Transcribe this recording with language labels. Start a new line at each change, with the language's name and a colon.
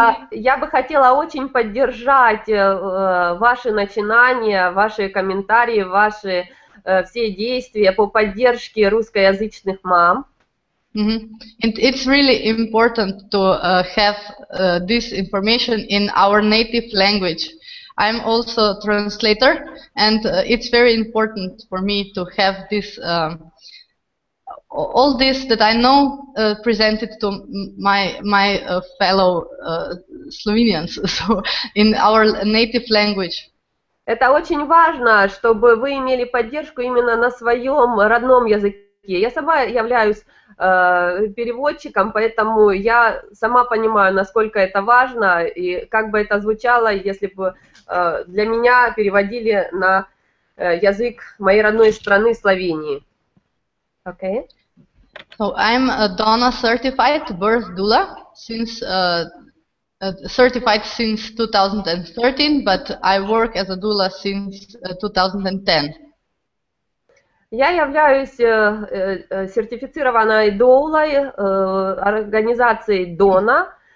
Russian: я бы хотела очень поддержать ваши начинания, ваши комментарии, ваши все действия по поддержке русскоязычных мам. Mm-hmm.
English: And it's really important to have this information in our native language. I'm also a translator, and it's very important for me to have this all this that I know presented to my fellow Slovenians so in our native language.
Russian: Это очень важно, чтобы вы имели поддержку именно на своем родном языке. Я сама являюсь переводчиком, поэтому я сама понимаю, насколько это важно, и как бы это звучало, если бы для меня переводили на язык моей родной страны Словении.
English: Okay. So I'm a Donna certified birth doula since 2013, but I work as a doula since 2010.
Russian: Я являюсь сертифицированной доулой организации Дона.